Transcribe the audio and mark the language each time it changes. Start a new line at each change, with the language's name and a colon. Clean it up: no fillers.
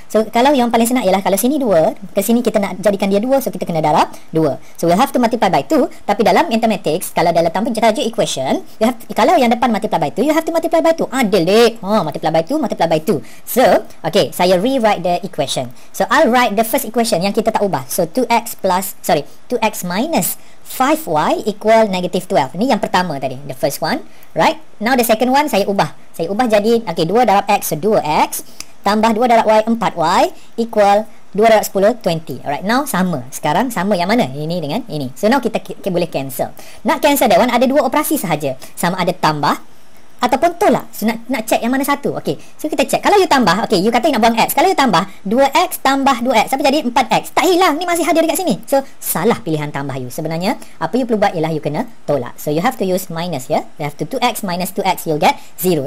Malay: So kalau yang paling senang ialah kalau sini 2, ke sini kita nak jadikan dia 2, so kita kena darab 2.
English: So we'll have to multiply by 2.
Malay: Tapi dalam mathematics, kalau dalam tajuk equation,
English: you have,
Malay: kalau yang depan
English: multiply by 2, you have to multiply by 2. Adil dek, multiply by 2, multiply by 2. So okay, saya rewrite the equation. So I'll write the first equation
Malay: yang kita tak ubah.
English: So 2x minus 5y equal negative 12.
Malay: Ni yang pertama tadi,
English: the first one, right? Now the second one
Malay: saya ubah. Saya ubah jadi, okay, 2 darab x, so 2x tambah 2 darab y, 4y equal 2 darab 10, 20. Alright, now sama. Sekarang sama yang mana? Ini dengan ini. So now kita boleh cancel. Nak cancel that one, ada dua operasi sahaja. Sama ada tambah ataupun tolak. So nak check yang mana satu. Okay, so kita check. Kalau you tambah, okay, you kata you nak buang x, kalau you tambah 2x tambah 2x, apa jadi 4x? Tak hilang, ni masih hadir dekat sini. So salah pilihan tambah you. Sebenarnya apa you perlu buat ialah you kena tolak.
English: So you have to use minus, ya, yeah? You have to 2x minus 2x, you'll get 0.